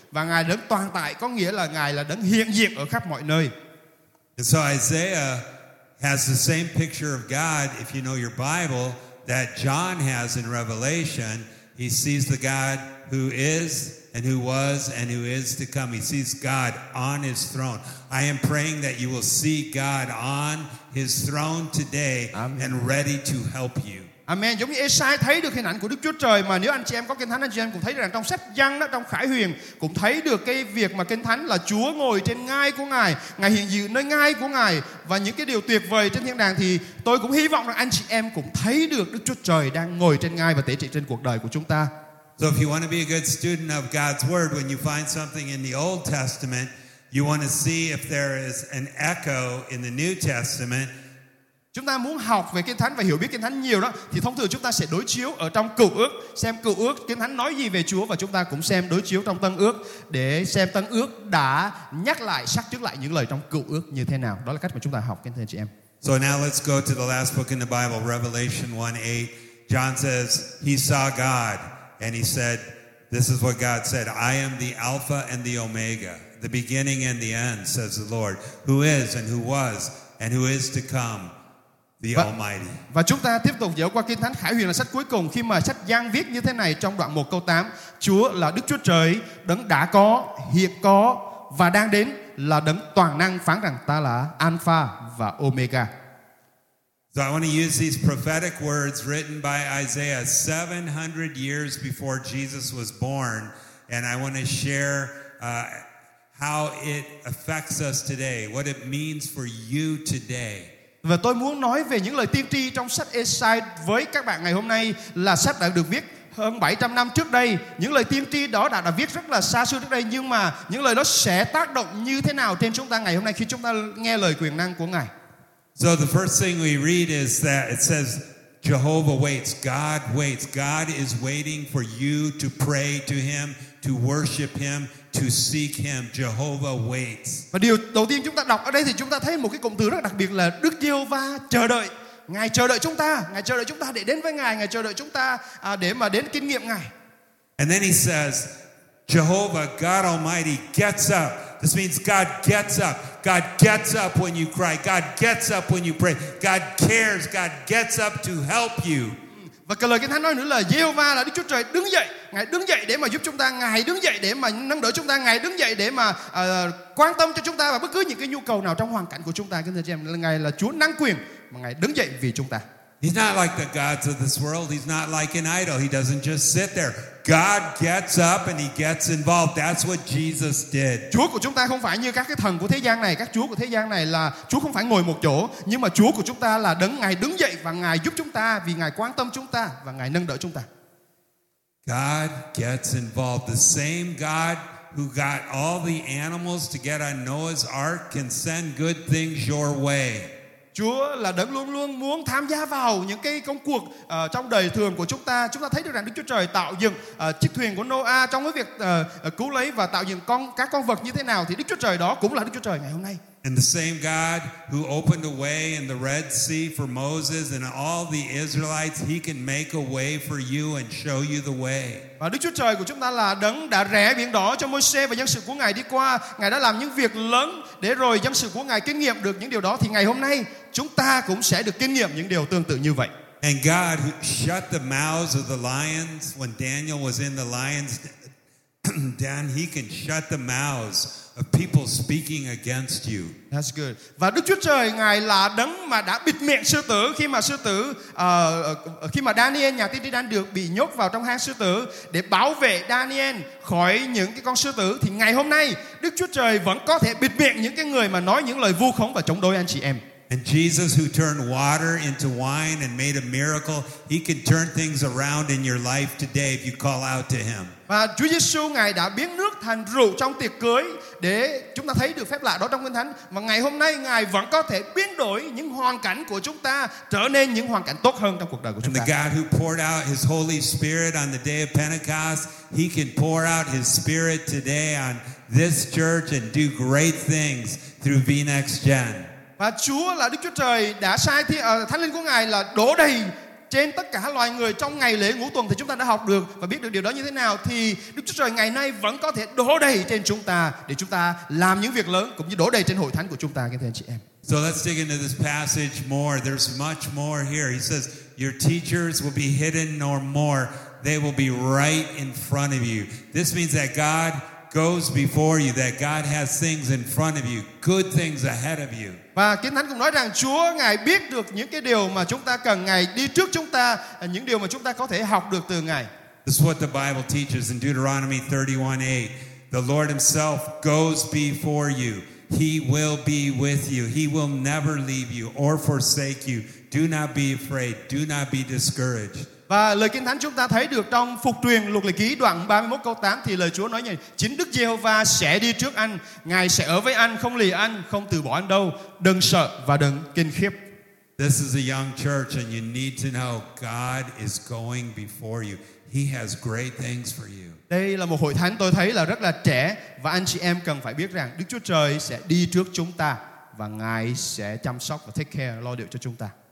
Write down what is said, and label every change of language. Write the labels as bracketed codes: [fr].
[vi] Và Ngài là đấng toàn tại, có nghĩa là Ngài là đấng hiện diện ở khắp mọi nơi. [en] And so Isaiah has the same picture of God, if you know your Bible, that John has in Revelation. He sees the God who is and who was and who is to come. He sees God on his throne. I am praying that you will see God on his throne today. Amen. And ready to help you. Amen. [vi] Giống như Esai thấy được hình ảnh của Đức Chúa Trời, mà nếu anh chị em có Kinh Thánh, anh chị em cũng thấy rằng trong sách Giăng đó, trong Khải Huyền cũng thấy được cái việc mà Kinh Thánh là Chúa ngồi trên ngai của Ngài, Ngài hiện diện nơi ngai của Ngài và những cái điều tuyệt vời trên thiên đàng. Thì tôi cũng hy vọng rằng anh chị em cũng thấy được Đức Chúa Trời đang ngồi trên ngai và tế trị trên cuộc đời của chúng ta. [en] So if you want to be a good student of God's word, when you find something in the Old Testament, you want to see if there is an echo in the New Testament. [vi] Chúng ta muốn học về Kinh Thánh và hiểu biết Kinh Thánh nhiều đó, thì thông thường chúng ta sẽ đối chiếu ở trong Cựu Ước, xem Cựu Ước Kinh Thánh nói gì về Chúa, và chúng ta cũng xem đối chiếu trong Tân Ước để xem Tân Ước đã nhắc lại, sắc trước lại những lời trong Cựu Ước như thế nào. Đó là cách mà chúng ta học, kính thưa chị em. [en] So now let's go to the last book in the Bible, Revelation 1:8. John says, he saw God, and he said, this is what God said, I am the Alpha and the Omega, the beginning and the end, says the Lord, who is and who was and who is to come. [vi] Và chúng ta tiếp tục dở qua Kinh Thánh Khải Huyền là sách cuối cùng, khi mà sách Giăng viết như thế này trong đoạn 1 câu 8: Chúa là Đức Chúa Trời, đấng đã có, hiện có và đang đến, là đấng toàn năng, phán rằng ta là Alpha và Omega. [en] So I want to use these prophetic words written by Isaiah 700 years before Jesus was born, and I want to share how it affects us today, what it means for you today. [vi] Và tôi muốn nói về những lời tiên tri trong sách Esai với các bạn ngày hôm nay, là sách đã được viết hơn 700 năm trước đây. Những lời tiên tri đó đã viết rất là xa xưa trước đây, nhưng mà những lời đó sẽ tác động như thế nào trên chúng ta ngày hôm nay khi chúng ta nghe lời quyền năng của Ngài. [en] So the first thing we read is that it says Jehovah waits, God waits. God is waiting for you to pray to him, to worship him, to seek him. Jehovah waits. [vi] Và điều đầu tiên chúng ta đọc ở đây thì chúng ta thấy một cái cụm từ rất đặc biệt là Đức Giê-hô-va chờ đợi. Ngài chờ đợi chúng ta, Ngài chờ đợi chúng ta để đến với Ngài, Ngài chờ đợi chúng ta để mà đến kinh nghiệm Ngài. [en] And then he says, Jehovah God Almighty gets up. This means God gets up. God gets up when you cry. God gets up when you pray. God cares. God gets up to help you. [vi] Và cái lời Kinh Thánh nói nữa là Giê-hô-va là Đức Chúa Trời đứng dậy. Ngài đứng dậy để mà giúp chúng ta, Ngài đứng dậy để mà nâng đỡ chúng ta, Ngài đứng dậy để mà quan tâm cho chúng ta và bất cứ những cái nhu cầu nào trong hoàn cảnh của chúng ta. Kính thưa chị em, Ngài là Chúa năng quyền mà Ngài đứng dậy vì chúng ta. [en] He's not like the gods of this world. He's not like an idol. He doesn't just sit there. God gets up and he gets involved. That's what Jesus did. [vi] Chúa của chúng ta không phải như các cái thần của thế gian này, các chúa của thế gian này là Chúa không phải ngồi một chỗ, nhưng mà Chúa của chúng ta là đấng Ngài đứng dậy và Ngài giúp chúng ta vì Ngài quan tâm chúng ta và Ngài nâng đỡ chúng ta. [en] God gets involved. The same God who got all the animals to get on Noah's ark can send good things your way. [vi] Chúa là đấng luôn luôn muốn tham gia vào những cái công cuộc trong đời thường của chúng ta. Chúng ta thấy được rằng Đức Chúa Trời tạo dựng chiếc thuyền của Noah trong cái việc cứu lấy và tạo dựng các con vật như thế nào, thì Đức Chúa Trời đó cũng là Đức Chúa Trời ngày hôm nay. [en] And the same God who opened a way in the Red Sea for Moses and all the Israelites, he can make a way for you and show you the way. [vi] Và Đức Chúa Trời của chúng ta là đấng đã rẽ biển đỏ cho Môi-se và dân sự của Ngài đi qua. Ngài đã làm những việc lớn để rồi dân sự của Ngài kinh nghiệm được những điều đó. Thì ngày hôm nay chúng ta cũng sẽ được kinh nghiệm những điều tương tự như vậy. [en] And God shut the mouths of the lions when Daniel was in the lion's Dan, he can shut the mouths of people speaking against you. That's good. [vi] Và Đức Chúa Trời ngài là đấng mà đã bịt miệng sư tử khi mà Daniel nhà tiên tri đang được bị nhốt vào trong hang sư tử để bảo vệ Daniel khỏi những cái con sư tử, thì ngày hôm nay Đức Chúa Trời vẫn có thể bịt miệng những cái người mà nói những lời vu khống và chống đối anh chị em. [en] And Jesus, who turned water into wine and made a miracle, he can turn things around in your life today if you call out to him. [vi] Và Chúa Giêsu ngài đã biến nước thành rượu trong tiệc cưới để chúng ta thấy được phép lạ đó trong Kinh Thánh. Và ngày hôm nay ngài vẫn có thể biến đổi những hoàn cảnh của chúng ta trở nên những hoàn cảnh tốt hơn trong cuộc đời của chúng ta. [en] And the God who poured out his Holy Spirit on the day of Pentecost, he can pour out his Spirit today on this church and do great things through VNextGen. [vi] Và Chúa là Đức Chúa Trời đã sai Thánh Linh của ngài là đổ đầy trên tất cả loài người trong ngày lễ ngũ tuần, thì chúng ta đã học được và biết được điều đó như thế nào, thì Đức Chúa Trời ngày nay vẫn có thể đổ đầy trên chúng ta để chúng ta làm những việc lớn cũng như đổ đầy trên hội thánh của chúng ta, nghe thưa anh chị em. [en] So let's dig into this passage more. There's much more here. He says, "Your teachers will be hidden no more. They will be right in front of you." This means that God goes before you, that God has things in front of you, good things ahead of you. [vi] Và Kinh Thánh cũng nói rằng Chúa ngài biết được những cái điều mà chúng ta cần, ngài đi trước chúng ta, những điều mà chúng ta có thể học được từ ngài. [en] This is what the Bible teaches in Deuteronomy 31:8. The Lord himself goes before you. He will be with you. He will never leave you or forsake you. Do not be afraid. Do not be discouraged. [vi] Và lời Kinh Thánh chúng ta thấy được trong Phục Truyền Luật Lệ Ký đoạn 31 câu 8, thì lời Chúa nói như chính Đức Giê-hô-va sẽ đi trước anh, ngài sẽ ở với anh, không lìa anh, không từ bỏ anh đâu, đừng sợ và đừng kinh khiếp. [en] This is a young church and you need to know God is going before you. He has great things for you. [vi] Đây là một hội thánh tôi thấy là rất là trẻ, và anh chị em cần phải biết rằng Đức Chúa Trời sẽ đi trước chúng ta và ngài sẽ chăm sóc và [en] take care, [vi] lo liệu cho chúng ta.